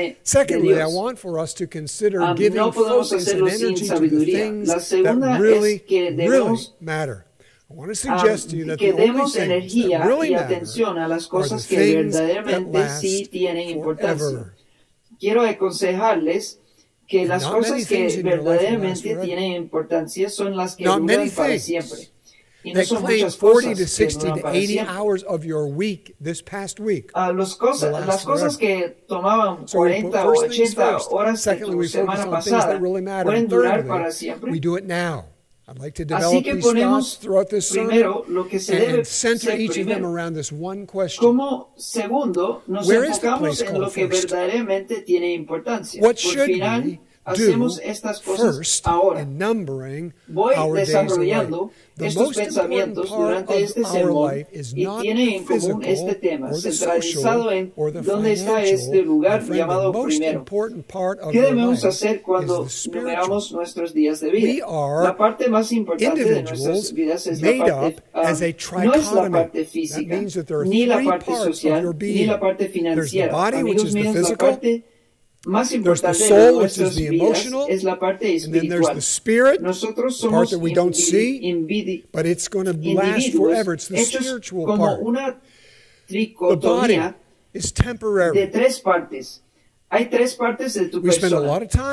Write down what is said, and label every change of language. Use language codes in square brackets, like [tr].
[en] Secondly, I want for us to consider giving focus and energy to the things that really, really matter. I want to suggest to you that the only things that really matter are the things that last forever. [es] Quiero aconsejarles que las [en] Not [es] cosas que verdaderamente tienen importancia son las que duran para siempre. [en] That claim 40 to 60 to 80 hours of your week this past week. So we put first things first. Secondly, we focus on things that really matter. And thirdly, we do it now. I'd like to develop these thoughts throughout this sermon and center each of them around this one question. Where is the place called first? What should we do first in numbering our days of life? The most important part of our life is not the physical or the social or the financial. Friend, the most important part of our life is the spiritual. We are individuals made up as a trichotomy. That means that there are three parts of your being. There's the body, which is the physical. [es] más importante de nuestras vidas es la parte espiritual. Nosotros somos individuos hechos como una tricotomía de tres partes. Hay tres partes de tu persona.